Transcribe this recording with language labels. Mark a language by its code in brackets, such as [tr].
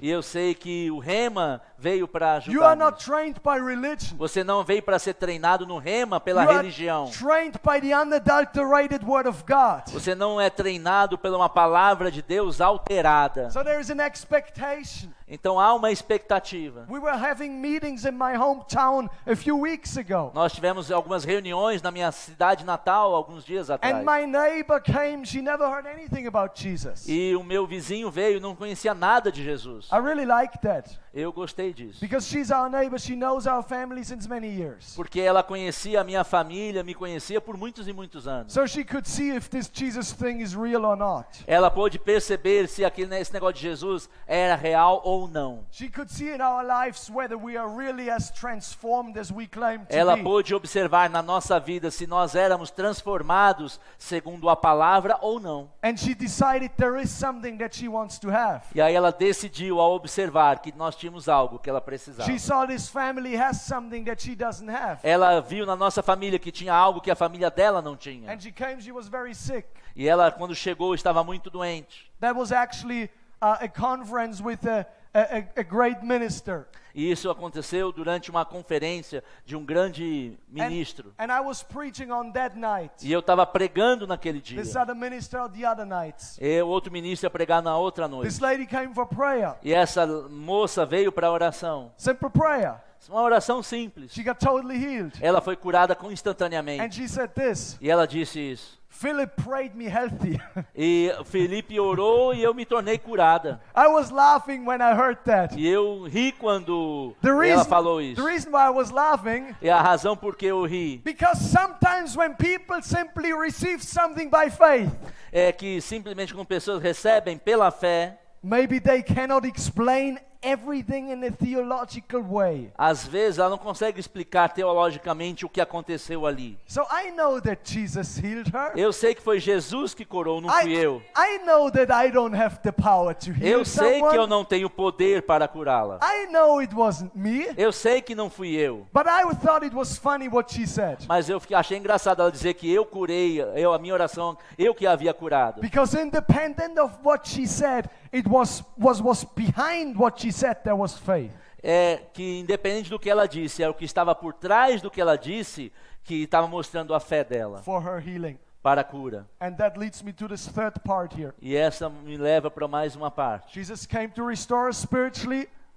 [pt] E eu sei que o Rhema veio para ajudar. [en] You are not trained by religion. [pt] Você não veio para ser treinado no Rhema pela [en] you [pt] religião. [en] Are trained by the unadulterated word of God. [pt] Você não é treinado pela uma palavra de Deus alterada. [en] So there is an expectation. [pt] Então há uma expectativa. [en] We were having meetings in my hometown a few weeks ago. [pt] Nós tivemos algumas reuniões na minha cidade natal alguns dias atrás. [en] And my neighbor came, she never heard anything about Jesus. [pt] E o meu vizinho veio e não conhecia nada de Jesus. [en] I really like that. [pt] Eu gostei disso. [en] Because she's our neighbor, she knows our family since many years. [pt] Porque ela conhecia a minha família, me conhecia por muitos e muitos anos. [en] So she could see if this Jesus thing is real or not. [pt] Ela pôde perceber se aquele esse negócio de Jesus era real ou não. [en] She could see in our lives whether we are really as transformed as we claim to be. [pt] Ela pôde observar na nossa vida se nós éramos transformados segundo a palavra ou não. [en] And she decided there is something that she wants to have. [pt] E aí ela decidiu ao observar que nós tínhamos algo que ela precisava. [en] She saw this family has something that she doesn't have. [pt] Ela viu na nossa família que tinha algo que a família dela não tinha. [en] And she came, she was very sick. [pt] E ela quando chegou estava muito doente. [en] That was actually a conference with a great minister. [pt] E isso aconteceu durante uma conferência de um grande ministro. [en] And I was preaching on that night. [pt] E eu estava pregando naquele dia. [en] This other minister on the other night. [pt] E o outro ministro ia pregar na outra noite. [en] This lady came for prayer. [pt] E essa moça veio para a oração. [en] Simple prayer. [pt] Uma oração simples. [en] She got totally healed. [pt] Ela foi curada instantaneamente. [en] And she said this. [pt] E ela disse isso. [en] Philip prayed me healthy. [pt] E Felipe orou e eu me tornei curada. [en] I was laughing when I heard that. [pt] E eu ri quando ela falou isso. [en] The reason why I was laughing. [pt] E a razão por que eu ri. [en] Because sometimes when people simply receive something by faith. [pt] É que simplesmente quando pessoas recebem pela fé. [en] Maybe they cannot explain everything in a theological way. [pt] Às vezes ela não consegue explicar teologicamente o que aconteceu ali. [en] So I know that Jesus healed her. [pt] Eu sei que foi Jesus que curou, não fui eu. [en] I know that I don't have the power to heal. [pt] Eu sei [en] someone. [pt] Que eu não tenho poder para curá-la. [en] I know it wasn't me. [pt] Eu sei que não fui eu. [en] But I thought it was funny what she said. [pt] Mas eu achei engraçado ela dizer que eu curei, a minha oração, eu que a havia curado. [en] Because independent of what she said, it was behind what she said there was faith. [pt] É que independente do que ela disse, é o que estava por trás do que ela disse que estava mostrando a fé dela. [en] For her healing. [pt] Para a cura. [en] And that leads me to this third part here. [pt] E essa me leva para mais uma parte. [en] Jesus came to restore us spiritually.